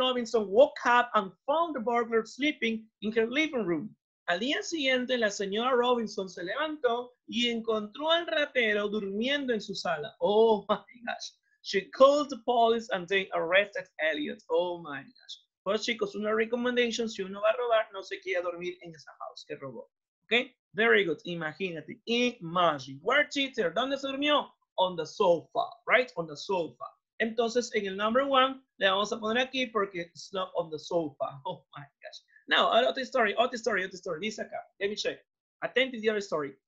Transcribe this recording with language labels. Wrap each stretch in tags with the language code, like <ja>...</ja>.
<en>Robinson woke up and found the burglar sleeping in her living room.</en> <es>Al día siguiente, la señora Robinson se levantó y encontró al ratero durmiendo en su sala.</es> <en>Oh, my gosh. She called the police and they arrested Elliot. Oh, my gosh.</en> <es>Pues, chicos, una</es> <en>recommendation.</en> <es>Si uno va a robar, no se quiera dormir en esa house que robó.</es> <en>Okay? Very good.</en> <es>Imagínate.</es> <en>Imagine. Where teacher?</en> <es>¿Dónde se durmió?</es> <en>On the sofa. Right? On the sofa.</en> <es>Entonces, en el</es> <en>number one,</en> <es>le vamos a poner aquí porque</es> <en>it's not on the sofa. Oh, my gosh. Now, another story.</en> <es>Dice acá.</es> <en>Let me check. Attentive to the other story.</en>